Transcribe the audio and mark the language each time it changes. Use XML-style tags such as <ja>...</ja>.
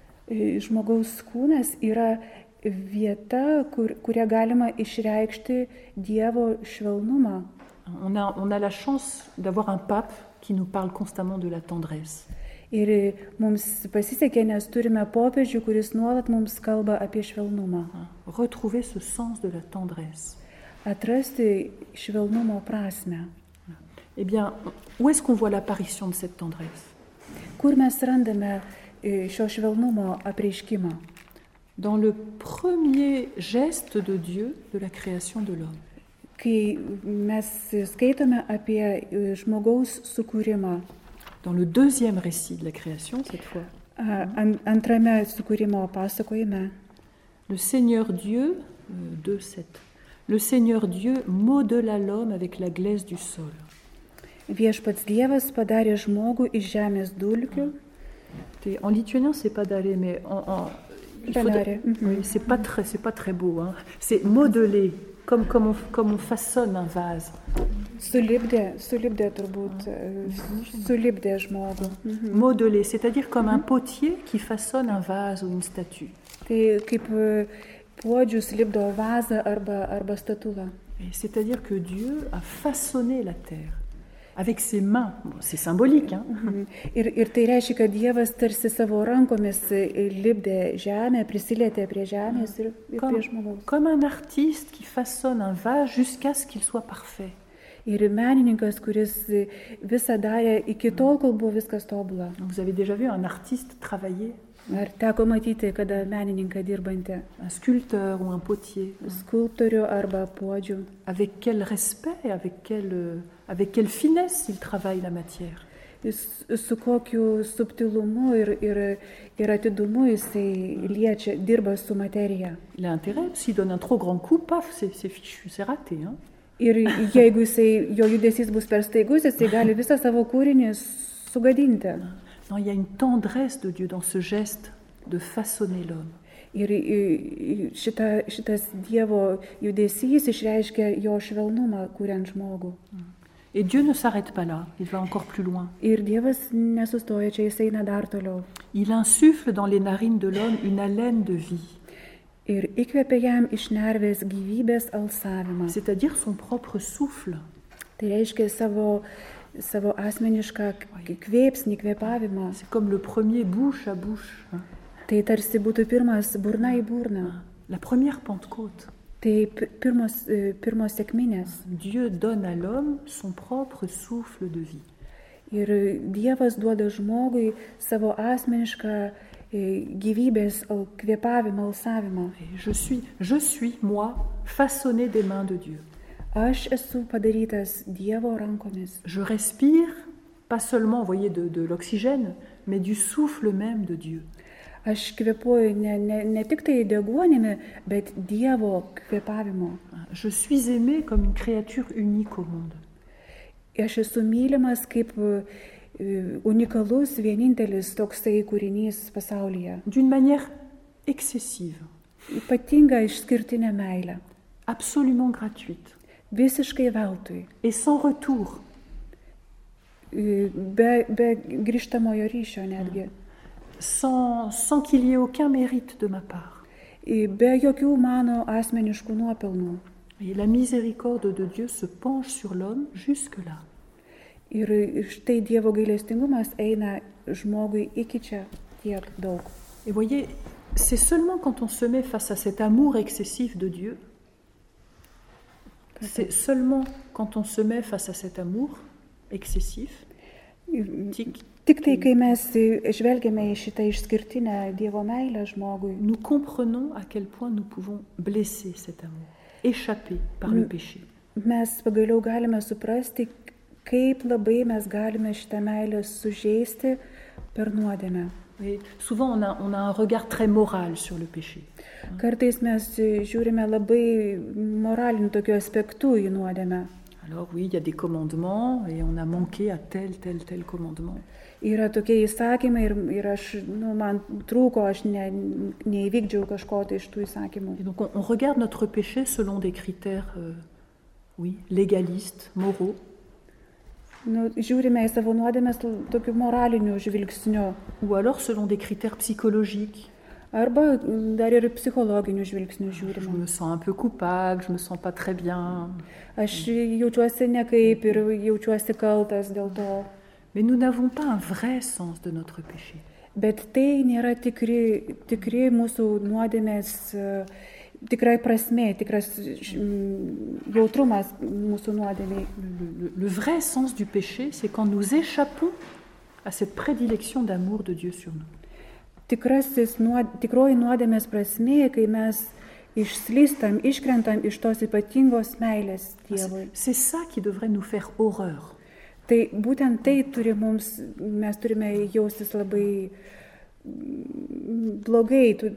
<lt>Žmogaus kūnas yra vieta, kurią galima išreikšti Dievo švelnumą.</lt> <fr>On a la chance d'avoir un pape qui nous parle constamment de la tendresse.</fr> <lt>Ir mums pasisekė, nes turime popiežių, kuris nuolat mums kalba apie švelnumą.</lt> <fr>Retrouver ce sens de la tendresse.</fr> <lt>Atrasti švelnumo prasmę.</lt> <fr>Eh bien, où est-ce qu'on voit l'apparition de cette tendresse?</fr> <lt>Kur mes randame šio švelnumo apreiškimą?</lt> <fr>dans le premier geste de Dieu de la création de l'homme.</fr> <lt>Kai mes skaitome apie žmogaus sukūrimą.</lt> <fr>Dans le deuxième récit de la création, cette fois. Antrame sukūrimo pasakojime. Le Seigneur Dieu, 2:7. Le Seigneur Dieu modela l'homme avec la glaise du sol.</fr> <lt>Viešpats Dievas padarė žmogų iš žemės dulkių.</lt> <fr>Tai en lituanien c'est pas d'aller mais en</fr> <lt>padarė.</lt> <fr>Oui, c'est pas très beau hein. C'est modeler comme on façonne un vase.</fr> <lt>Sulipdė turbūt sulipdė žmogų.</lt> <fr>Modeler, c'est-à-dire comme un potier qui façonne un vase ou une statue.</fr> <lt>Tai kaip puodžius lipdo vazą arba statulą.</lt> <fr>C'est-à-dire que Dieu a façonné la terre avec ses mains, bon, c'est symbolique hein.</fr> <lt>Ir tai reiškia, kad Dievas tarsi savo rankomis lipdė žemę, prisilietė prie žemės ir prie žmogaus.</lt> <fr>Comme un artiste qui façonne un vase jusqu'à ce qu'il soit parfait.</fr> <lt>Ir menininkas, kuris visą darė iki tol, kol buvo viskas tobula.</lt> <fr>Vous avez déjà vu un artiste travailler?</fr> <lt>Ar teko matyti, kada menininką dirbantį?</lt> <fr>Un sculpteur ou un potier?</fr> <lt>Skulptorių arba puodžių.</lt> <fr>Avec quel respect, avec quelle finesse il travaille la matière.</fr> <lt>Su kokiu subtilumu ir atidumu jisai liečia, dirba su materija.</lt> <fr>L'intérêt, s'il donne un trop grand coup, paf, c'est fichu, c'est raté, hein.</fr> <lt>Ir jeigu jisai, jo judesys bus per staigus, jisai gali visą savo kūrinį sugadinti.</lt> <fr>Non, il y a une tendresse de Dieu dans ce geste de façonner l'homme.</fr> <lt>Ir šitas Dievo judesys išreiškia jo švelnumą kūrent žmogų.</lt> <fr>Et Dieu ne s'arrête pas là, il va encore plus loin.</fr> <lt>Ir Dievas nesustoja čia, jis eina dar toliau.</lt> <fr>Il insuffle dans les narines de l'homme une haleine de vie.</fr> <lt>Ir įkvėpė jam iš nervės gyvybės alsavimą.</lt> <fr>C'est-à-dire son propre souffle.</fr> <lt>Tai reiškia savo asmenišką kvėpsnį, kvėpavimą.</lt> <fr>C'est comme le premier bouche à bouche.</fr> <lt>Tai tarsi būtų pirmas burna į burną.</lt> <fr>La première Pentecôte.</fr> <lt>Tai pirmos sekminės.</lt> <fr>Dieu donne à l'homme son propre souffle de vie.</fr> <lt>Ir Dievas duoda žmogui savo asmenišką gyvybės kvėpavimą, alsavimą.</lt> <fr>Je suis moi façonné des mains de Dieu.</fr> <lt>Aš esu padarytas Dievo rankomis.</lt> <fr>Je respire pas seulement, voyez, de l'oxygène, mais du souffle même de Dieu.</fr> <lt>Aš kvėpuoju ne tik tai deguonimi, bet Dievo kvėpavimu.</lt> <fr>Je suis aimé comme une créature unique au monde.</fr> <lt>Aš esu mylimas kaip unikalus, vienintelis toksai kūrinys pasaulyje.</lt> <fr>D'une manière excessive.</fr> <lt>Ypatinga, išskirtinė meilė.</lt> <fr>Absolument gratuite.</fr> <lt>Visiškai veltui.</lt> <fr>Et sans retour.</fr> <lt>Be grįžtamojo ryšio netgi.</lt> <fr>Sans qu'il y ait aucun mérite de ma part.</fr> <lt>Et be jokių mano asmeniškų nuopelnų.</lt> <fr>Et la miséricorde de Dieu se penche sur l'homme jusque-là.</fr> <lt>Ir štai Dievo gailestingumas eina žmogui iki čia tiek daug.</lt> <fr>Et voyez, c'est seulement quand on se met face à cet amour excessif de Dieu. C'est seulement quand on se met face à cet amour excessif.</fr> <lt>Tik tai, kai mes žvelgiame į šitą išskirtinę Dievo meilę žmogui.</lt> <fr>Nous comprenons à quel point nous pouvons blesser cet amour, échapper par le péché.</fr> <lt>Mes pagaliau galime suprasti, kaip labai mes galime šitą meilę sužeisti per nuodėmę.</lt> <fr>Et souvent on a un regard très moral sur le péché.</fr> <lt>Kartais mes žiūrime labai moraliniu tokiu aspektu į nuodėmę.</lt> <fr>Alors oui, il y a des commandements et on a manqué à tel commandement.</fr> <lt>Yra tokie įsakymai ir aš, nu, man trūko, aš neįvykdžiau kažko tai iš tų įsakymų.</lt> <fr>Et donc on regarde notre péché selon des critères légalistes, moraux.</fr> <lt>Nu, žiūrime į savo nuodėmes tokiu moraliniu žvilgsniu.</lt> <fr>Ou alors selon des critères psychologiques.</fr> <lt>Arba dar ir psichologinių žvilgsnių žiūrime.</lt> <fr>Je me sens un peu coupable, je me sens pas très bien.</fr> <lt>Aš jaučiuosi nekaip ir jaučiuosi kaltas dėl to.</lt> <fr>Mais nous n'avons pas un vrai sens de notre péché.</fr> <lt>Bet tai nėra tikri mūsų nuodėmės, tikrai prasmė, tikras jautrumas mūsų nuodėmei.</lt> <fr>Le vrai sens du péché, c'est quand nous échappons à cette prédilection d'amour de Dieu sur nous.</fr> <lt>tikroji nuodėmės prasmė, kai mes išslystam, iškrentam iš tos ypatingos meilės Dievui.</lt> <fr>C'est ça qui devrait nous faire horreur.</fr> <lt>Tai būtent tai turi mums, mes turime jaustis labai blogai.</lt>